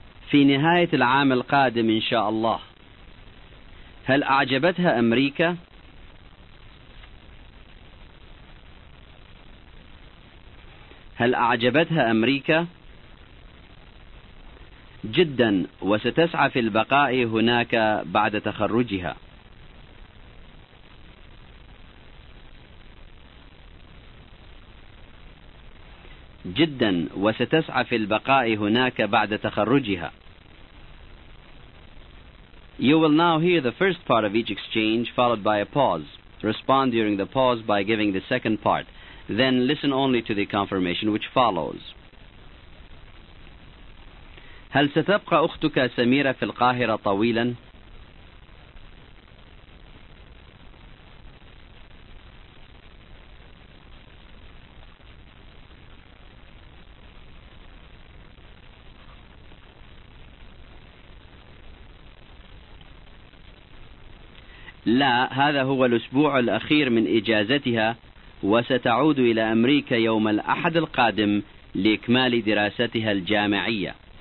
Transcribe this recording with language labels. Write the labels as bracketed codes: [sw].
[ar] في نهاية العام القادم إن شاء الله. هل أعجبتها أمريكا؟ هل أعجبتها أمريكا؟ جدا، وستسعى في البقاء هناك بعد تخرجها. جدا، وستسعى في البقاء هناك بعد تخرجها. [en] You will now hear the first part of each exchange followed by a pause. Respond during the pause by giving the second part. Then listen only to the confirmation which follows. [ar] هل ستبقى أختك سميرة في القاهرة طويلا؟ لا، هذا هو الأسبوع الأخير من إجازتها، وستعود إلى أمريكا يوم الأحد القادم لإكمال دراستها الجامعية.